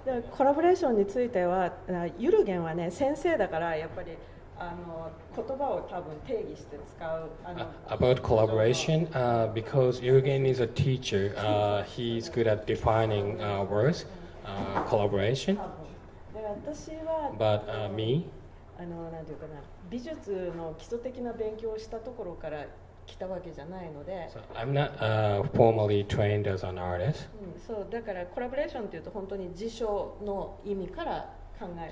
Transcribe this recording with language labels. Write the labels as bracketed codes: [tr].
[ja] コラボレーションについてはユルゲンはね先生だからやっぱりあの言葉を多分定義して使うあの [en] About collaboration, because Jürgen is a teacher, he's good at defining words, collaboration. [ja] で私は [en] But me? [ja] あのなんていうかな美術の基礎的な勉強をしたところから来たわけじゃないので、 [en] so、I'm not formally trained as an artist. [ja] そうだからコラボレーションっていうと本当に辞書の意味から考える。